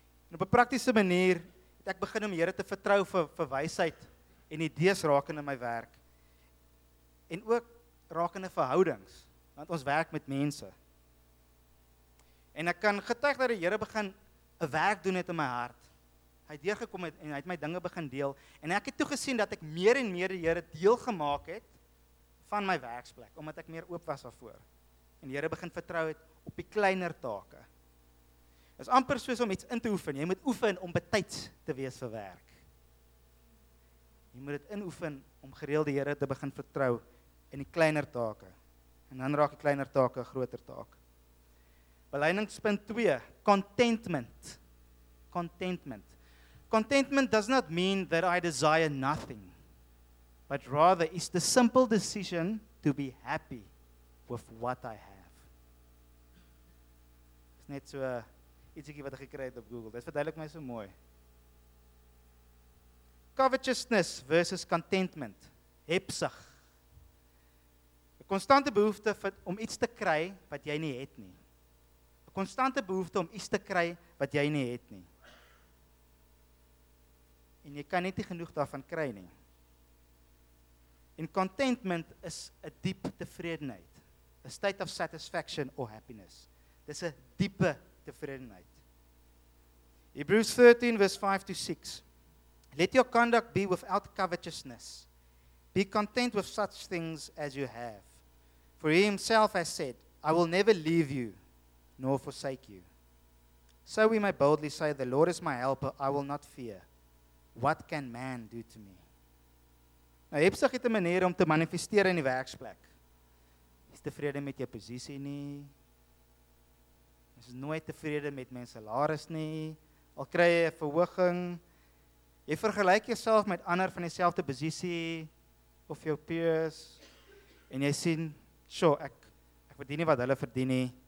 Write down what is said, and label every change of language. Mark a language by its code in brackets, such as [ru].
[af] En op 'n praktiese manier het ek begin om die Here te vertrou vir wysheid en idees rakende my werk en ook rakende verhoudings, want ons werk met mense. En ek kan getuig dat die Here begin 'n werk doen het in my hart. Hy het deurgekom het en hy het my dinge begin deel. En ek het toe gesien dat ek meer en meer die Here deel gemaak het van my werksplek, omdat ek meer oop was daarvoor. En die Here begin vertrou het op die kleiner take. Dit is amper soos om iets in te oefen. Jy moet oefen om betyds te wees vir werk. Jy moet dit inoefen om gereeld die Here te begin vertrou in die kleiner take. En dan raak die kleiner take 'n groter taak. [en] Beleidingspunt 2, contentment. Contentment. Contentment does not mean that I desire nothing, but rather it's the simple decision to be happy with what I have. [af] It's net so ietsiekie wat ek gekry het op Google. Dit verduidelik my so mooi. [en] Covetousness versus contentment. [af] Hebsig. 'N konstante behoefte om iets te kry wat jy nie het nie. 'N konstante behoefte om iets te kry wat jy nie het nie. En jy kan net nie genoeg daarvan kry nie. En contentment is 'n diep tevredenheid. [en] A state of satisfaction or happiness. [af] Dis 'n diepe tevredenheid. [en] Hebrews 13 verse 5 to 6. Let your conduct be without covetousness. Be content with such things as you have. For he himself has said, I will never leave you nor forsake you. So we may boldly say, the Lord is my helper, I will not fear. What can man do to me? [af] Nou, hebsig het 'n manier om te manifesteer in die werksplek. Jy's tevrede met jou posisie nie. Jy's nooit tevrede met mens salaris nie. Al kry jy 'n verhoging, jy vergelyk jouself met ander van dieselfde posisie of jou peers en jy sien, "Sjoe, ek verdien nie wat hulle verdien nie.